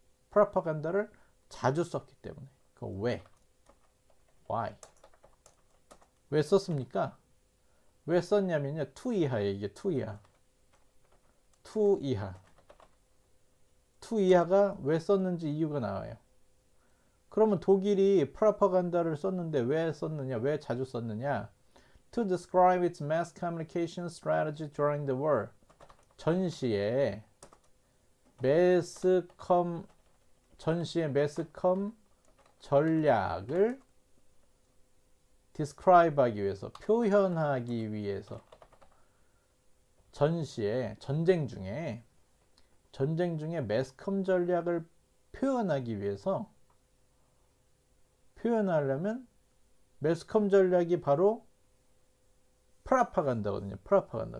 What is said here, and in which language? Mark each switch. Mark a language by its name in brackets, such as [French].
[Korean] propaganda를 자주 썼기 때문에. 그 왜? Why? 왜 썼습니까? 왜 썼냐면요, 2 이하에요. 이게 2 이하. 2 이하. 2 이하가 왜 썼는지 이유가 나와요. 그러면 독일이 프로파간다를 썼는데 왜 썼느냐, 왜 자주 썼느냐? [English] To describe its mass communication strategy during the war. [Korean] 전시에 매스컴 전시의 매스컴 전략을 describe하기 위해서 표현하기 위해서 전시에 전쟁 중에 매스컴 전략을 표현하기 위해서 표현하려면 매스컴 전략이 바로 프라파간다거든요. 프라파간다.